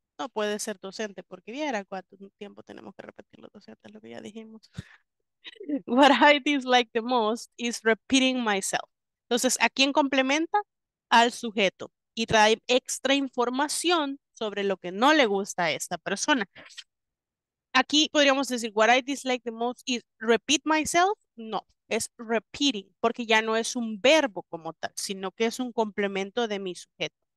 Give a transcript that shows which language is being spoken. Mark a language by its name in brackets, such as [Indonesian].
[Spanish] No puede ser docente, porque viera cuánto tiempo tenemos que repetir los docentes lo que ya dijimos. [English] What I dislike the most is repeating myself. [Spanish] Entonces, ¿a quién complementa? Al sujeto. Y trae extra información sobre lo que no le gusta a esta persona. Aquí podríamos decir, [English] what I dislike the most is repeat myself. [Spanish] No, es repeating, porque ya no es un verbo como tal, sino que es un complemento de mi sujeto.